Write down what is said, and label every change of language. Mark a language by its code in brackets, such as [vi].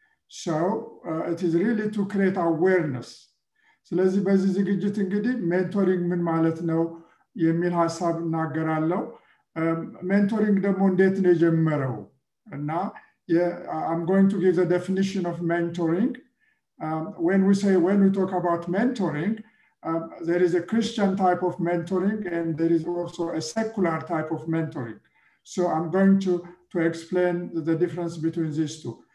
[en] So it is really to create awareness. [am] ስለዚህ በዚህ ዝግጅት እንግዲህ ሜንቶሪንግ ምን ማለት ነው የሚል ሐሳብ እናገራለሁ። ሜንቶሪንግ ደግሞ እንዴት ነው የጀመረው እና [en] I'm going to give the definition of mentoring. When we talk about mentoring, there is a Christian type of mentoring and there is also a secular type of mentoring. So I'm going to explain the difference between these two.